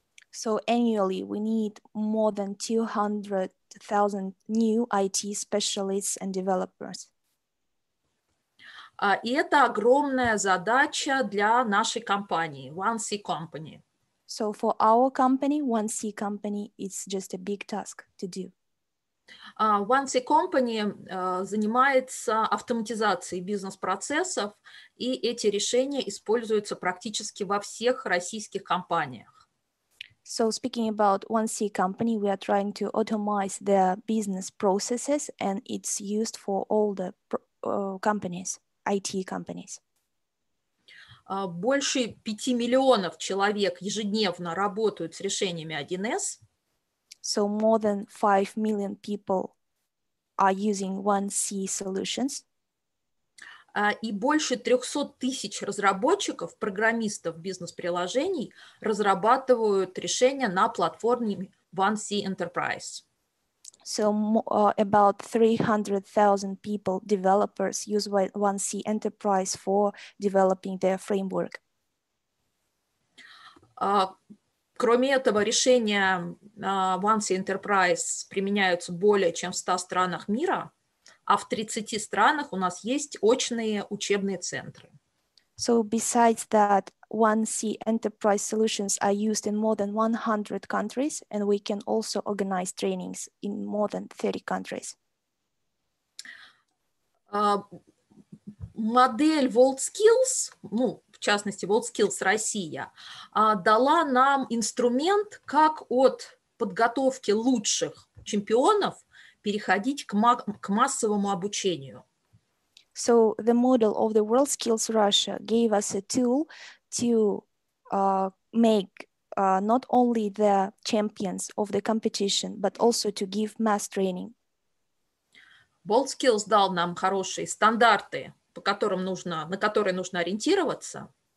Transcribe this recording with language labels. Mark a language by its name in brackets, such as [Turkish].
[English] So annually we need more than 200,000 new IT specialists and developers. [Russian] И это огромная задача для нашей компании, 1C Company. [English] So for our company, 1C Company, it's just a big task to do. [Russian] 1C Company занимается автоматизацией бизнес-процессов, и эти решения используются практически во всех российских компаниях. [English] So speaking about 1C Company, we are trying to automate the business processes, and it's used for all the companies. IT companies. [Russian] Больше 5 миллионов человек ежедневно работают с решениями 1С. [English] So more than 5 million people are using 1C solutions. [Russian] И больше 300 тысяч разработчиков, программистов бизнес-приложений разрабатывают решения на платформе 1C Enterprise. [English] So about 300,000 people, developers, use 1C Enterprise for developing their framework. [Russian] Кроме этого, решения 1C Enterprise применяются более чем в 100 странах мира, а в 30 странах у нас есть очные учебные центры. [English] So besides that, 1C Enterprise solutions are used in more than 100 countries, and we can also organize trainings in more than 30 countries. [Russian] Модель WorldSkills, ну, в частности, WorldSkills Россия, дала нам инструмент, как от подготовки лучших чемпионов переходить к массовому обучению. [English] So the model of the WorldSkills Russia gave us a tool to make not only the champions of the competition, but also to give mass training. [Russian] WorldSkills дал нам хорошие стандарты, по которым нужно, на которые нужно ориентироваться.